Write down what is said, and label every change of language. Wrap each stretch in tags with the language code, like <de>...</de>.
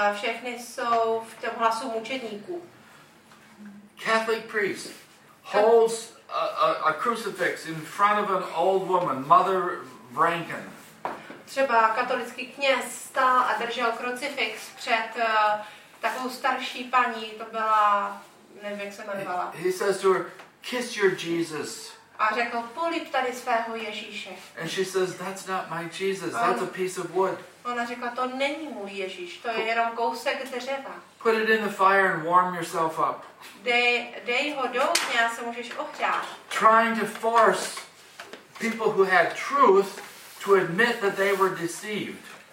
<cs>Všechny jsou v tom hlasu mučedníků.</cs> <en>Catholic priest holds a crucifix in front of an old woman, Mother Rankin.</en> <cs>Třeba katolický kněz stál a držel krucifix před takovou starší paní, to byla, nevím, jak se jmenovala.</cs> <en>He says to her, kiss your Jesus.</en> <cs>A řekl, políp tady svého Ježíše.</cs> <en>And she says, that's not my Jesus, that's a piece of wood.</en> <cs>Ona řekla, to není můj Ježíš, to je jenom kousek dřeva.</cs> <en>Put it in the fire and warm yourself up.</en> <cs>Dej ho do ohně a se můžeš ohřát.</cs> <en>Trying to force people who had truth to admit that they were deceived.</en>